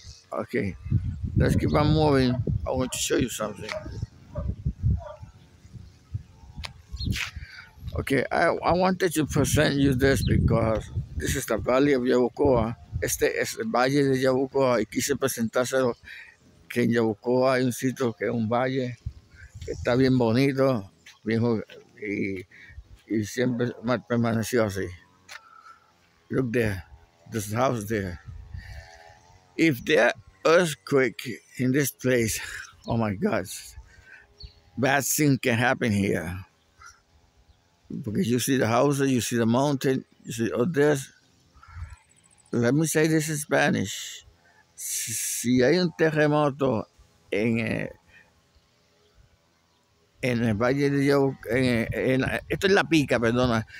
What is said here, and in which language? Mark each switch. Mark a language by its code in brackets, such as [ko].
[en] Okay, let's keep on moving. I want to show you something. Okay, I wanted to present you this because this is the Valley of Yabucoa. [es] Este es el Valle de Yabucoa. Y quise presentárselo que en Yabucoa hay un sitio que es un valle. Está bien bonito, bien y siempre permaneció así. [en] Look there, this house there. If there earthquake in this place, oh my God, bad thing can happen here. Because you see the houses, you see the mountain, you see all this. Let me say this in Spanish. [es] Si hay un terremoto en el Valle de Yabucoa, esto es la Pica, perdona.